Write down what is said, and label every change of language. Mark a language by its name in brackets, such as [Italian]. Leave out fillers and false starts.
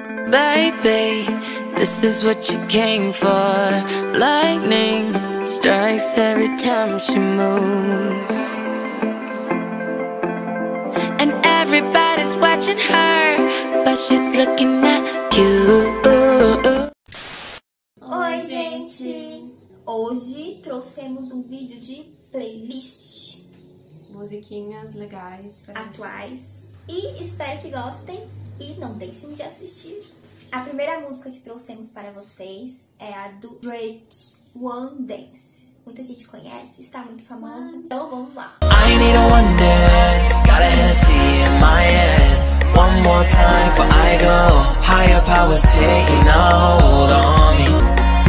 [English] Baby, this is what you came for. Lightning strikes every time she moves. And everybody's watching her, but she's looking at you. [Portuguese] Oi, gente! Hoje trouxemos um vídeo de playlist. Musiquinhas legais, atuais. E espero que gostem e não deixem de assistir. A primeira música que trouxemos para vocês é a do Drake, One Dance. Muita gente conhece, está muito famosa. Então vamos lá. [English] I need a one dance, got a Hennessy in my hand. One more time but I go, higher powers taking a hold on me.